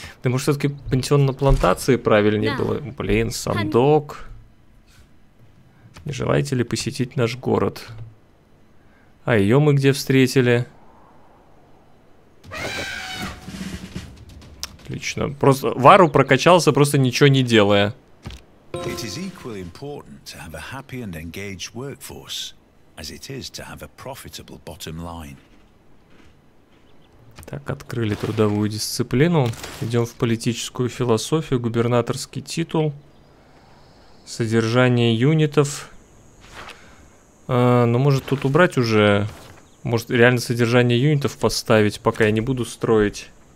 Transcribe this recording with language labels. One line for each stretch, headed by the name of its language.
Russian: Да может все-таки пансион на плантации правильнее было? Блин, сандок... Не желаете ли посетить наш город? А ее мы где встретили? Отлично. Просто Вару прокачался, просто ничего не делая.
English: It is equally important to have a happy and engaged workforce, as it is to have a profitable bottom line.
Russian: Так, открыли трудовую дисциплину. Идем в политическую философию, губернаторский титул. Содержание юнитов. Ну, может, тут убрать уже... Может, реально содержание юнитов поставить, пока я не буду строить.